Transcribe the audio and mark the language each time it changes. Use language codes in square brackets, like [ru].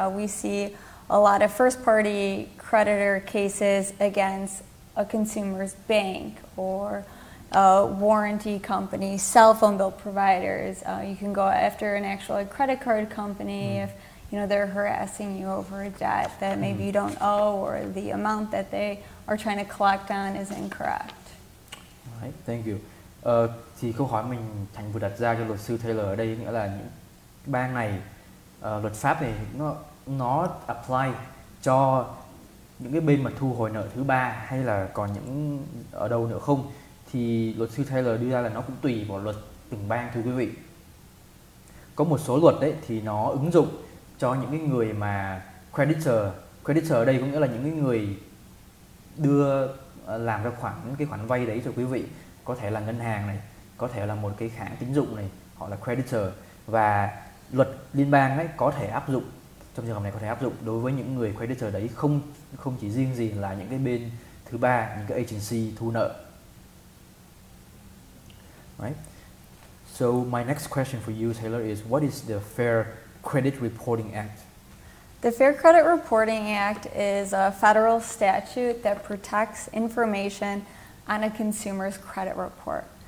[en] We see a lot of first-party creditor cases against a consumer's bank or a warranty company, cell phone bill providers. You can go after an actual credit card company if you know they're harassing you over a debt that maybe you don't owe, or the amount that they are trying to collect on is incorrect. Alright, thank you. [vi] Thì câu hỏi mình Thành vừa đặt ra cho luật sư Taylor ở đây nghĩa là những bang này, luật pháp này nó apply cho những cái bên mà thu hồi nợ thứ ba hay là còn những ở đâu nữa không, thì luật sư Taylor đưa ra là nó cũng tùy vào luật từng bang thưa quý vị. Có một số luật đấy thì nó ứng dụng cho những cái người mà creditor ở đây có nghĩa là những cái người đưa làm ra khoản cái khoản vay đấy cho quý vị, có thể là ngân hàng này, có thể là một cái hãng tín dụng này, họ là creditor, và luật liên bang ấy có thể áp dụng, trong trường hợp này có thể áp dụng đối với những người creditor đấy, không chỉ riêng gì là những cái bên thứ ba, những cái agency thu nợ. [en] Right. So my next question for you, Taylor, is what is the Fair Credit Reporting Act? The Fair Credit Reporting Act is a federal statute that protects information on a consumer's credit report.